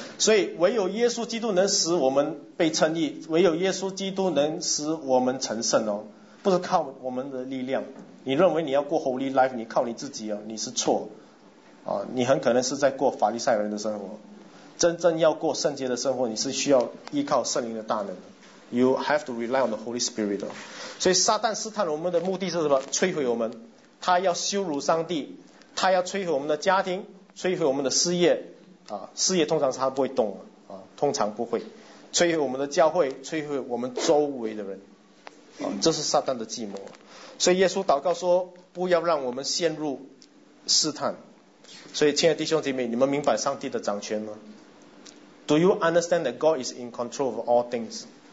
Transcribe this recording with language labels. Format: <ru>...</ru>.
<zh>所以唯有耶稣基督能使我们被称义，唯有耶稣基督能使我们成圣哦，不是靠我们的力量。你认为你要过 holy life， 你靠你自己哦，你是错啊，你很可能是在过法利赛人的生活。真正要过圣洁的生活，你是需要依靠圣灵的大能。</zh> <en>You have to rely on the Holy Spirit.</en> <zh>所以撒旦试探我们的目的是什么？摧毁我们。他要羞辱上帝，他要摧毁我们的家庭，摧毁我们的事业啊，事业通常是他不会动啊，通常不会。摧毁我们的教会，摧毁我们周围的人啊，这是撒旦的计谋。所以耶稣祷告说，不要让我们陷入试探。所以亲爱的弟兄姐妹，你们明白上帝的掌权吗？</zh> <en>Do you understand that God is in control of all things?</en>